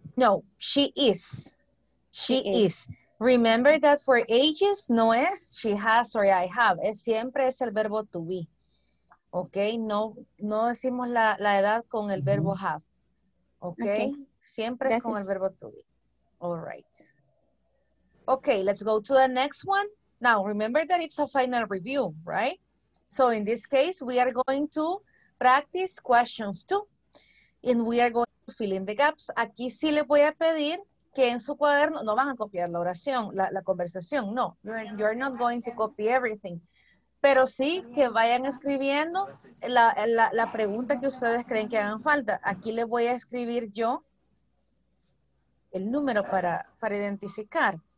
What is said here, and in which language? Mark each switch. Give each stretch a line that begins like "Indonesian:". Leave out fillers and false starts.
English: No, she is. Remember that for ages,
Spanish: no es
English: she has or I have.
Spanish: Es siempre es el verbo to be. Okay, no decimos la edad con el verbo have. Okay, siempre es con el verbo to be.
English: All right. Okay, let's go to the next one. Now, remember that it's a final review, right? So in this case, we are going to practice questions too. And we are going to fill in the gaps.
Spanish: Aquí sí les voy a pedir que en su cuaderno, no van a copiar la oración, la conversación, no.
English: You're not going to copy everything.
Spanish: Pero sí que vayan escribiendo la pregunta que ustedes creen que hagan falta. Aquí les voy a escribir yo el número para identificar.